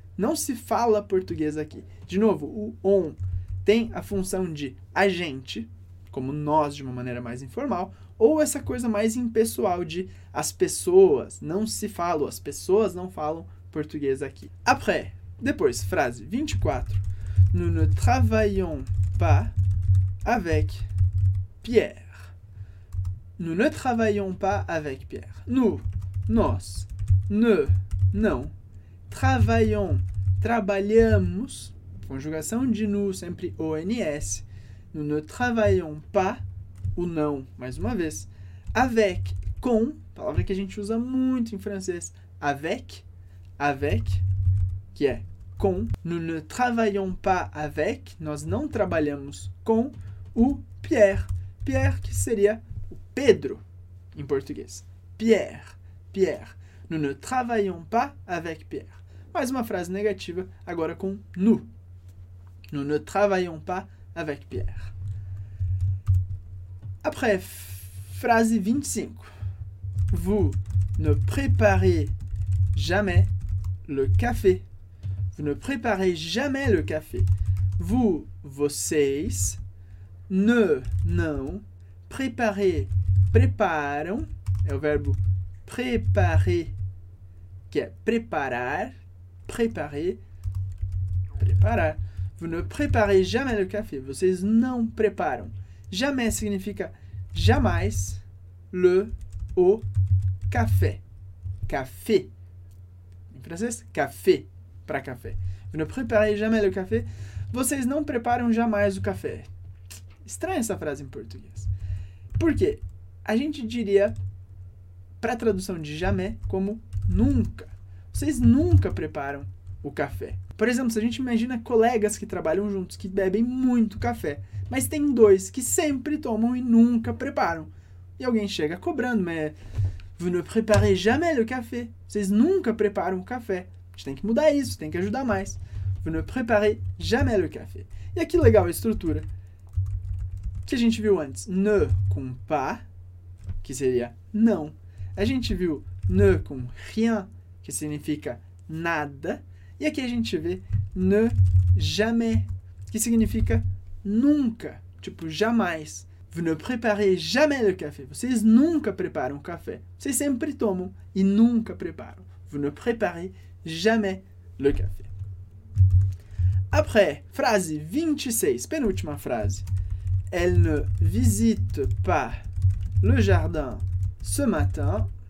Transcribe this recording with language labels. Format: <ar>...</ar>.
<pt>Não se fala português aqui. De novo, o on tem a função de a gente, como nós de uma maneira mais informal, ou essa coisa mais impessoal de as pessoas não se falam, as pessoas não falam português aqui. Après, depois, frase 24.</pt> <fr>Nous ne travaillons pas avec Pierre. Nous ne travaillons pas avec Pierre.</fr> <pt>Nous, nós, ne, não, travaillons, trabalhamos, conjugação de nous, sempre ONS.</pt> <fr>Nous ne travaillons pas,</fr> <pt>o não, mais uma vez, avec, com, palavra que a gente usa muito em francês, avec, avec, que é com.</pt> <fr>Nous ne travaillons pas avec,</fr> <pt>nós não trabalhamos com, o Pierre. Pierre, que seria Pedro, em português. Pierre, Pierre.</pt> <fr>Nous ne travaillons pas avec Pierre.</fr> <pt>Mais uma frase negativa, agora com nous.</pt> <fr>Nous ne travaillons pas avec Pierre. Après,</fr> <pt>frase 25.</pt> <fr>Vous ne préparez jamais le café. Vous ne préparez jamais le café. Vous, vocês, ne, não, préparez.</fr> <pt>Preparam, é o verbo preparer, que é preparar, preparer, preparar.</pt> <fr>Vous ne préparez jamais le café,</fr> <pt>vocês não preparam. Jamais significa jamais le, o, café. Café, em francês, café, para café.</pt> <fr>Vous ne préparez jamais le café,</fr> <pt>vocês não preparam jamais o café. Estranha essa frase em português. Por quê? A gente diria, para a tradução de jamais, como nunca. Vocês nunca preparam o café. Por exemplo, se a gente imagina colegas que trabalham juntos, que bebem muito café, mas tem dois que sempre tomam e nunca preparam. E alguém chega cobrando, mas</pt> <fr>vous ne préparez jamais le café.</fr> <pt>Vocês nunca preparam o café. A gente tem que mudar isso, tem que ajudar mais.</pt> <fr>Vous ne préparez jamais le café.</fr> <pt>E aqui legal a estrutura que a gente viu antes. Ne com pas, que seria não. A gente viu ne com rien, que significa nada. E aqui a gente vê ne jamais, que significa nunca, tipo jamais.</pt> <fr>Vous ne préparez jamais le café.</fr> <pt>Vocês nunca preparam café. Vocês sempre tomam e nunca preparam.</pt> <fr>Vous ne préparez jamais le café. Après,</fr> <pt>frase 26, penúltima frase.</pt> <fr>Elle ne visite pas le jardin ce matin.</fr>